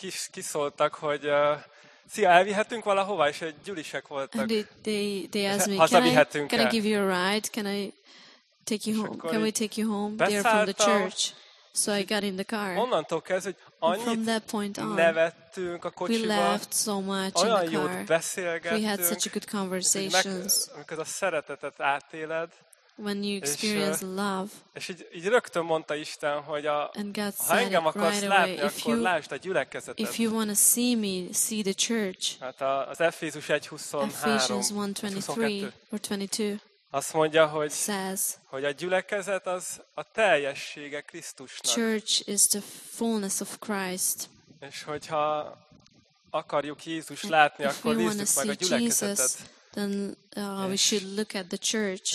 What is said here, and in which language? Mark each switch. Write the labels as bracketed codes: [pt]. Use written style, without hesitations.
[hu] Kiszóltak, hogy szia, elvihetünk valahova, és egy gyülisek voltak. [en] And they asked me, can I give you a ride? Can I take you home? Can we take you home? They're from the church, so I got in the car. [hu] Onnantól kezdve, hogy annyit nevettünk a kocsiba. [en] We laughed so much in the car. [hu] Olyan jót beszélgettünk. [en] We had such a good conversations. [hu] Amikor a szeretetet átéled. [en] When you experience love. [hu] És így rögtön mondta Isten, hogy ha engem akarsz látni, akkor lásd a gyülekezetet. [en] If you want to see me, see the church. [hu] Hát az Efézus 1:23-22. Azt mondja, hogy a gyülekezet az a teljessége Krisztusnak. [en] Church is the fullness of Christ. [hu] És hogyha akarjuk Jézus látni, akkor nézzük meg a gyülekezetet. [en] Then we should look at the church.